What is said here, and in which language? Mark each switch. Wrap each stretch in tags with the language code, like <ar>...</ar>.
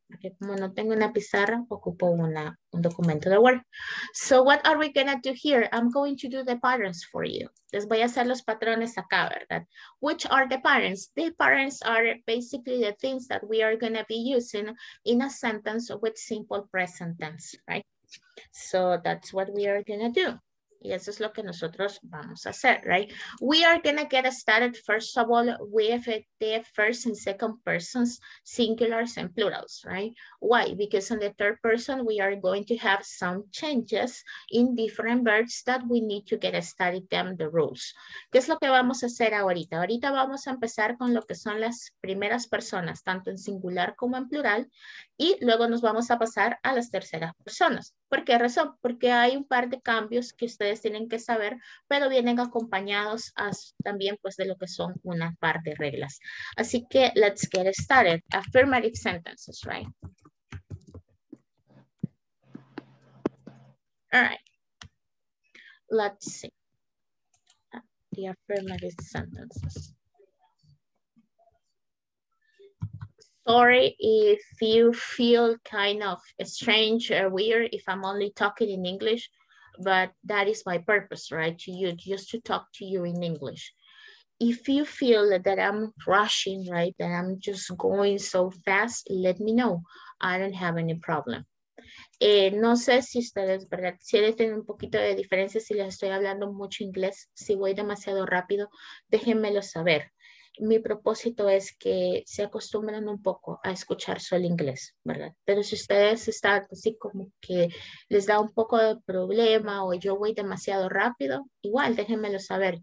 <es>Porque como no tengo una pizarra, ocupo un documento de Word.</es> <en>So what are we going to do here? I'm going to do the patterns for you.</en> <es>Les voy a hacer los patrones acá, ¿verdad?</es> <en>Which are the patterns? The patterns are basically the things that we are going to be using in a sentence with simple present tense, right? So that's what we are going to do.</en> <es>Y eso es lo que nosotros vamos a hacer, right?</es> <en>We are going to get started, first of all, with the first and second persons, singulars and plurals, right? Why? Because in the third person, we are going to have some changes in different verbs that we need to get started them, the rules.</en> <es>¿Qué es lo que vamos a hacer ahorita? Ahorita vamos a empezar con lo que son las primeras personas, tanto en singular como en plural, y luego nos vamos a pasar a las terceras personas. ¿Por qué razón? Porque hay un par de cambios que ustedes tienen que saber, pero vienen acompañados también pues de lo que son una par de reglas. Así que</es> <en>let's get started. Affirmative sentences, right? All right. Let's see. The affirmative sentences. Sorry if you feel kind of strange or weird if I'm only talking in English, but that is my purpose, right? To you, just to talk to you in English. If you feel that I'm rushing, right, that I'm just going so fast, let me know. I don't have any problem.</en> <es>No sé si ustedes, ¿verdad? Si les tienen un poquito de diferencia, si les estoy hablando mucho inglés, si voy demasiado rápido, déjenmelo saber. Mi propósito es que se acostumbren un poco a escuchar solo inglés, ¿verdad? Pero si ustedes están así como que les da un poco de problema o yo voy demasiado rápido, igual déjenmelo saber.</es>